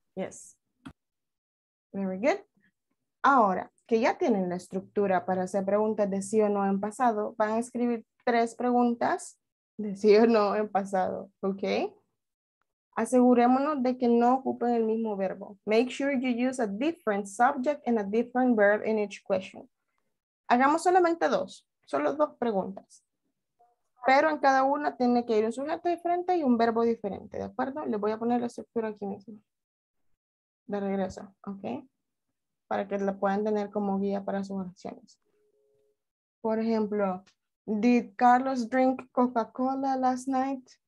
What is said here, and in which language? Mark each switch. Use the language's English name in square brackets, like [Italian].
[English] Yes. Very good. [Spanish] Ahora, que ya tienen la estructura para hacer preguntas de sí o no en pasado, van a escribir tres preguntas de sí o no en pasado, okay? Asegurémonos de que no ocupen el mismo verbo. [English] Make sure you use a different subject and a different verb in each question. [Spanish] Hagamos solamente dos, solo dos preguntas. Pero en cada una tiene que ir un sujeto diferente y un verbo diferente, ¿de acuerdo? Les voy a poner la estructura aquí mismo. De regreso, ¿ok? Para que la puedan tener como guía para sus acciones. Por ejemplo, [English] ¿did Carlos drink Coca-Cola last night?